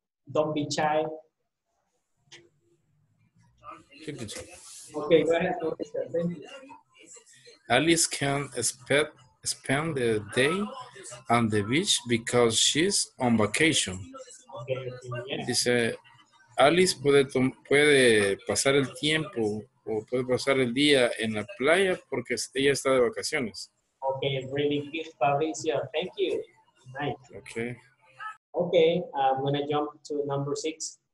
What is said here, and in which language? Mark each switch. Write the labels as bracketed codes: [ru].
[en] Don't be shy. Okay, go ahead. Alice can spend the day on the beach because she's on vacation. Okay, [es] dice, Alice puede pasar el tiempo o puede pasar el día en la playa porque ella está de vacaciones. [en] Okay, really good, Fabricio. Thank you. Nice. Okay. Okay, I'm going to jump to number six.